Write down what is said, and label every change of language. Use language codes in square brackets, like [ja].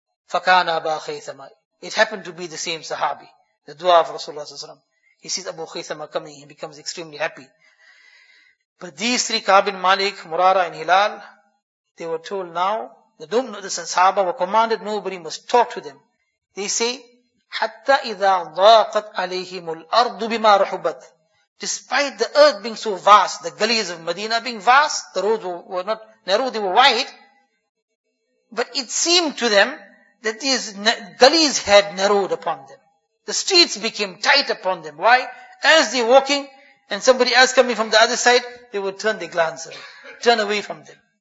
[ar] Fakana Aba Khaythama. [en] It happened to be the same Sahabi, the dua of Rasulullah sallallahu alaihi wasallam. He sees Abu Khaythama coming, he becomes extremely happy. But these three, Ka'ab bin Malik, Murara and Hilal, they were told now The Sahaba were commanded, nobody must talk to them. They say, [ar] حَتَّى إِذَا ضَاقَتْ عَلَيْهِمُ الْأَرْضُ بِمَا رَحُبَتْ. [en] Despite the earth being so vast, the gullies of Medina being vast, the roads were not narrow, they were wide. But it seemed to them that these gullies had narrowed upon them. The streets became tight upon them. Why? As they were walking, and somebody else coming from the other side, they would turn their glance away, turn away from them.